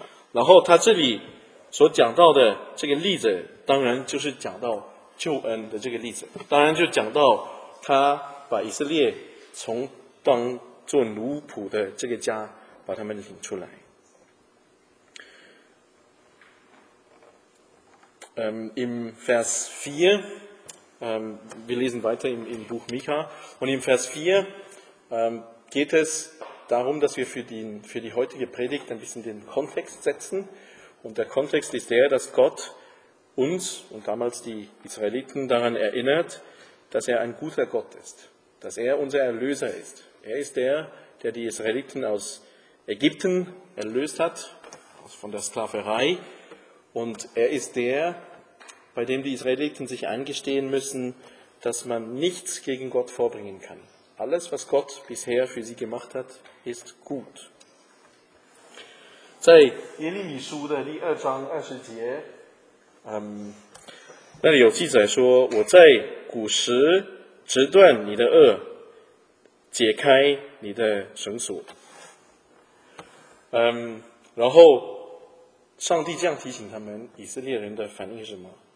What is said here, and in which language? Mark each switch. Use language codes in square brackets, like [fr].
[zh] 然后他这里所讲到的这个例子，当然就是讲到救恩的这个例子，当然就讲到他把以色列从当做奴仆的这个家把他们领出来。 [de] In Vers 4, wir lesen weiter im Buch Mika, und in Vers 4 geht es darum, dass wir für die heutige Predigt ein bisschen den Kontext setzen. Und der Kontext ist der, dass Gott uns und damals die Israeliten daran erinnert, dass er ein guter Gott ist, dass er unser Erlöser ist. Er ist der, der die Israeliten aus Ägypten erlöst hat, von der Sklaverei. Und er ist der, bei dem die Israeliten sich eingestehen müssen, dass man nichts gegen Gott vorbringen kann. Alles, was Gott bisher für sie gemacht hat, ist gut. [zh] 在耶利米书的第二章二十节，那里有记载说，我在古时折断你的轭，解开你的绳索。然后上帝这样提醒他们，以色列人的反应是什么？